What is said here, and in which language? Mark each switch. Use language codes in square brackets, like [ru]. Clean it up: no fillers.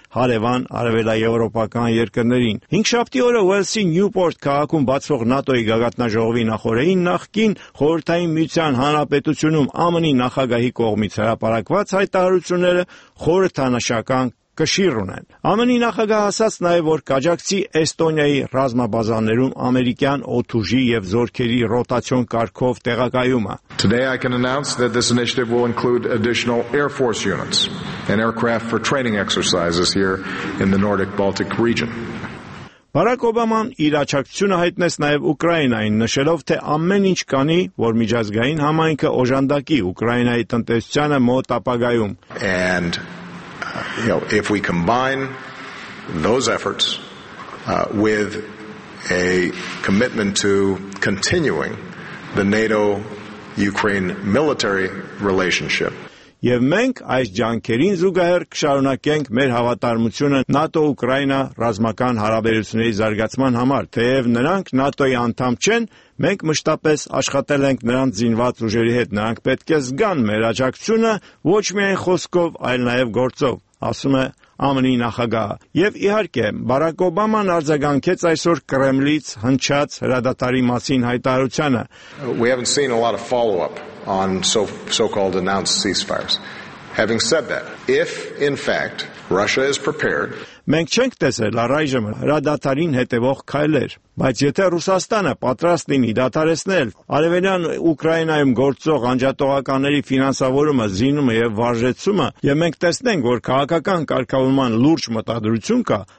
[hy] հարևան արևելաեվրոպական երկրներին։ Հինգշաբթի օրը Ուելսի Նյուպորտ քաղաքում բացվող ՆԱՏՕ-ի գագաթնաժողովի նախորդային նախկին խորհրդային միության հանրապետությունում ԱՄՆ-ի նախագահի կողմից հրապարակված հայտարարությունները խորհրդանշական կշիռ ունեն։ ԱՄՆ-ի նախագահ ասաց նաև, որ կաջակցի Էստոնիայի ռազմաբազաներում ամերիկյան օդուժի և զորքերի ռոտացիոն կարգով տեղակայումը։ [en] Today I can announce that this initiative will include additional air force units and aircraft for training exercises here in the Nordic Baltic region. [hy] Բարակ Օբաման իր աջակցությունը հայտնեց նաև Ուկրաինային, նշելով, թե ամեն ինչ կանի, որ միջազգային համայնքը օժանդակի Ուկրաինայի տնտեսությանը մոտ ապագայում. [en] And you know, if we combine those efforts with a commitment to continuing the NATO-Ukraine military relationship. [hy] Եվ մենք այս ջանքերին զուգահեռ կշարունակենք մեր հավատարմությունը ՆԱՏՕ-Ուկրաինա ռազմական հարաբերությունների զարգացման համար, թեև նրանք ՆԱՏՕ-ի անդամ չեն, մենք մշտապես աշխատել ենք նրանց զինված ուժերի հետ, նրանք պետք է զգան մեր աջակցությունը ոչ միայն խոսքով, այլ նաև գործով, ասում է ԱՄՆ-ի նախագահը։ Եվ իհարկե, Բարակ Օբաման արձագանքեց այսօր Կրեմլից հնչած հրադադարի մասին հայտարարությանը. [en] We haven't seen a lot of follow-up on so-called announced ceasefires. Having said that, if in fact Russia is prepared, [hy] մենք չենք տեսել առայժմ հրադադարին հետևող քայլեր, բայց եթե Ռուսաստանը պատրաստ լինի դադարեցնել արևելյան Ուկրաինայում գործող անջատողականների ֆինանսավորումը, զինումը եւ վարժեցումը, եւ մենք տեսնենք, որ քաղաքական կարգավորման լուրջ մտադրություն կա,